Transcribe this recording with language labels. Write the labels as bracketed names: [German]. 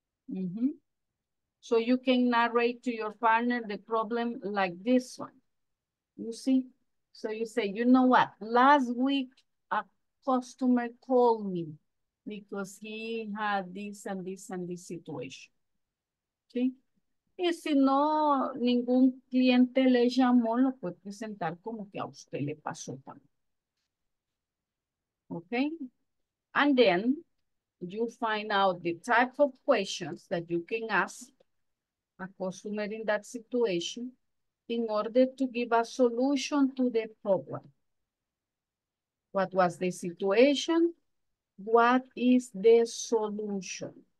[English] Mm-hmm. So you can narrate to your partner the problem like this one. You see? So you say, you know what? Last week, a customer called me because he had this and this and this situation. Okay? [Spanish] Y si no, ningún cliente le llamó, lo puede presentar como que a usted le pasó también. [English] Okay? And then you find out the type of questions that you can ask a customer in that situation in order to give a solution to the problem. What was the situation? What is the solution?